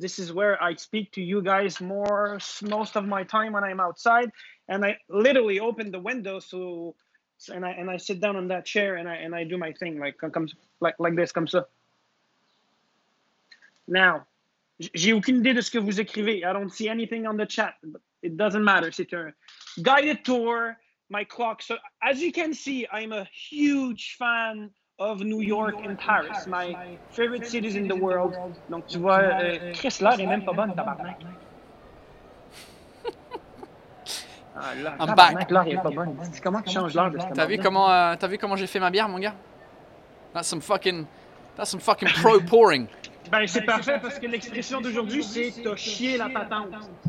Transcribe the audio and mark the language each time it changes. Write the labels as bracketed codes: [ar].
[en] This is where I speak to you guys most of my time when I'm outside. And I literally open the window and I sit down on that chair and I do my thing like this, [fr] comme ça. Now, j'ai aucune idée de ce que vous écrivez. [en] I don't see anything on the chat, but it doesn't matter. [fr] C'est un [en] guided tour, my clock. So, as you can see, I'm a huge fan of New York and Paris, my favorite cities in the world. [fr] Donc, tu vois, Chris, l'heure est même pas bonne, tabarnak. [en] I'm back. [fr] L'heure est pas bonne. Comment tu changes l'heure de cette manière? T'as vu comment j'ai fait ma bière, mon gars? [en] That's some fucking pro pouring. [fr] Ben, c'est parfait parce que l'expression d'aujourd'hui, c'est « t'as chié la patente ».